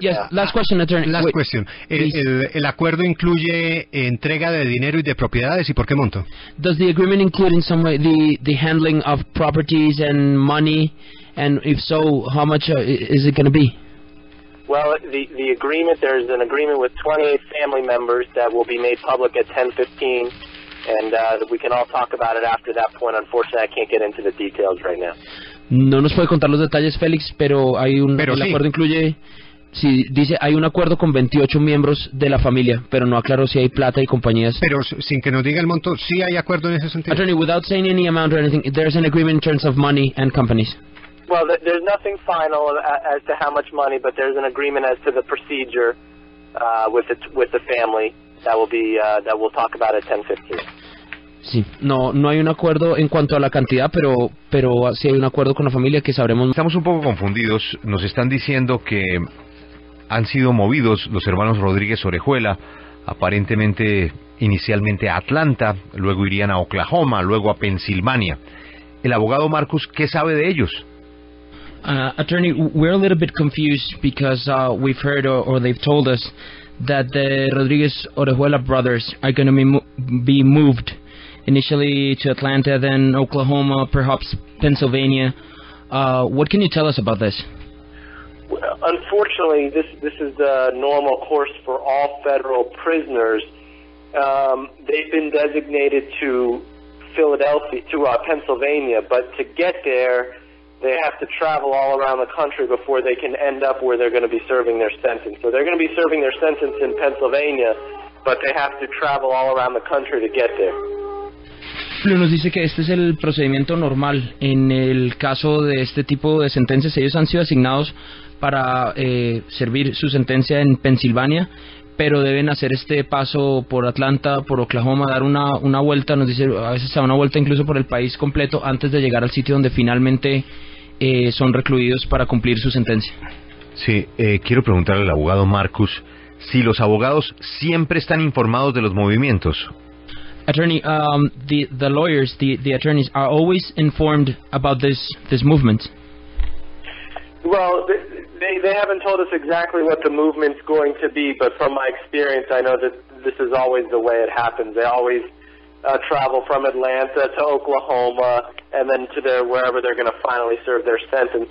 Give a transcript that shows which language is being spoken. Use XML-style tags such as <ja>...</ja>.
<en>Last question,</en> <es>el acuerdo incluye entrega de dinero y de propiedades, ¿y por qué monto?</es> <en>Does the agreement include in some way the handling of properties and money, and if so, how much is it going to be? Well, the agreement, there's an agreement with 28 family members that will be made public at 10:15, and we can all talk about it after that point. Unfortunately, I can't get into the details right now.</en> <es>No nos puede contar los detalles, Félix, pero hay un pero el sí. Acuerdo incluye, sí, dice, hay un acuerdo con 28 miembros de la familia, pero no aclaró si hay plata y compañías. Pero sin que nos diga el monto, sí hay acuerdo en ese sentido.</es> <en>Attorney, without saying any amount or anything, there's an agreement in terms of money and companies. Well, there's nothing final as to how much money, but there's an agreement as to the procedure with the family that will be that we'll talk about at 10:15.</en> <es>Sí, no hay un acuerdo en cuanto a la cantidad, pero sí hay un acuerdo con la familia que sabremos. Estamos un poco confundidos, nos están diciendo que han sido movidos los hermanos Rodríguez Orejuela, aparentemente inicialmente a Atlanta, luego irían a Oklahoma, luego a Pensilvania. El abogado Marcus, ¿qué sabe de ellos?</es> <en>Attorney, we're a little bit confused because we've heard or they've told us that the Rodríguez Orejuela brothers are going to be moved initially to Atlanta, then Oklahoma, perhaps Pennsylvania. What can you tell us about this? Unfortunately, this is the normal course for all federal prisoners. They've been designated to Philadelphia, to Pennsylvania, but to get there, they have to travel all around the country before they can end up where they're going to be serving their sentence. So they're going to be serving their sentence in Pennsylvania, but they have to travel all around the country to get there.</en> <es>Nos dice que este es el procedimiento normal en el caso de este tipo de sentencias. Ellos han sido asignados para servir su sentencia en Pensilvania, pero deben hacer este paso por Atlanta, por Oklahoma, dar una vuelta, nos dice, a veces a una vuelta incluso por el país completo antes de llegar al sitio donde finalmente son recluidos para cumplir su sentencia. Sí, quiero preguntarle al abogado Marcus si los abogados siempre están informados de los movimientos.</es> <en>Attorney, the lawyers, the attorneys are always informed about this movement. Well, they haven't told us exactly what the movement's going to be, but from my experience, I know that this is always the way it happens. They always travel from Atlanta to Oklahoma and then to wherever they're going to finally serve their sentence.</en>